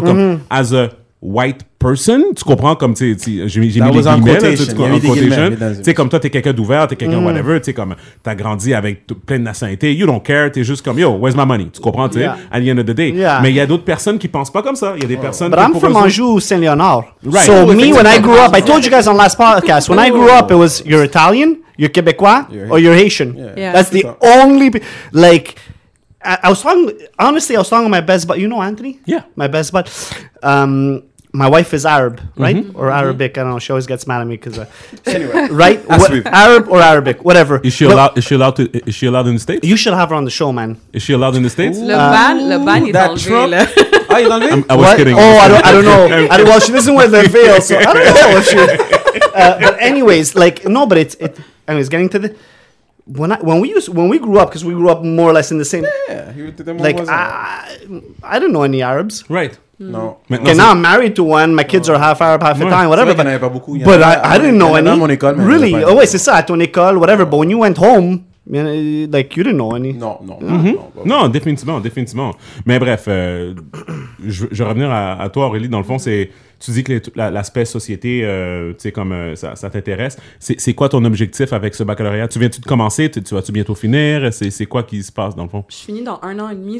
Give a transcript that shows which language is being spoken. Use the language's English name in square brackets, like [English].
[French] Comme [English] as a white person, [French] tu comprends, comme, j'ai mis des guillemets, tu sais, comme toi, t'es quelqu'un d'ouvert, t'es quelqu'un whatever, tu sais, comme, t'as grandi avec plein de nationalités, [English] you don't care, [French] t'es juste comme, [English] yo, where's my money, [French] tu comprends, tu sais, [English] at the end of the day. Yeah. [French] Mais il y a d'autres personnes qui pensent pas comme ça, il y a des personnes... [English] But I'm from Anjou, Saint-Léonard. Right. So, me, when I grew up, I told you guys on last podcast, when I grew up, it was, you're Italian, you're Québécois, or you're Haitian. Yeah. That's the only, like... I was talking with my best bud. You know Anthony? Yeah. My best bud. My wife is Arab, right? Or Arabic. I don't know. She always gets mad at me because... anyway. Right? Arab or Arabic. Whatever. Is she allowed in the States? You should have her on the show, man. Is she allowed in the States? [French] Le van est dans le veil. Ah, il est dans le veil? [English] I was kidding. Oh, I don't know. Well, she doesn't wear the veil, so I don't know if she... but anyways, like... No, but it's getting to the... When we grew up, because we grew up more or less in the same... Yeah, you them like, wasn't. I don't know any Arabs. Right. Mm. No. Okay, now I'm married to one. My kids are half Arab, half Italian, whatever. But I didn't know any. Really? [French] Oh, wait, c'est ça, à ton école, whatever. [English] But when you went home, like, you didn't know any. No. [French] Non, définitivement. Mais bref, je vais revenir à toi, Aurélie. Dans le fond, c'est... Tu dis que l'aspect société, tu sais, comme ça t'intéresse. C'est quoi ton objectif avec ce baccalauréat? Tu viens-tu de commencer? Tu vas-tu bientôt finir? C'est quoi qui se passe, dans le fond? Je finis dans un an et demi.